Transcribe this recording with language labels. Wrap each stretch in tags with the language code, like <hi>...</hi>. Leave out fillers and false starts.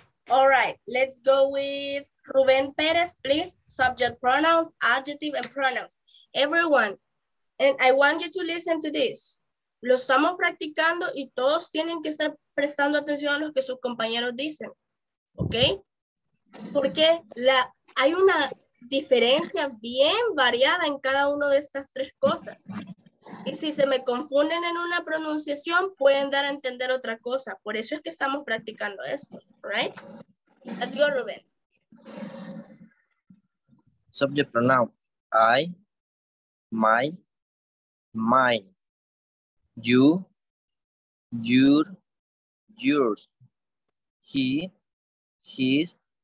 <en>All right, let's go with Ruben Perez, please. Subject pronouns, adjective, and pronouns. Everyone, and I want you to listen to this.</en> <es>Lo estamos practicando y todos tienen que estar prestando atención a lo que sus compañeros dicen, ¿ok? Porque hay una diferencia bien variada en cada una de estas tres cosas. Y si se me confunden en una pronunciación, pueden dar a entender otra cosa. Por eso es que estamos practicando esto, ¿right?</es> <en>Let's go, Ruben. Subject pronoun, I, my, mine, you, your, yours, he, his,</en>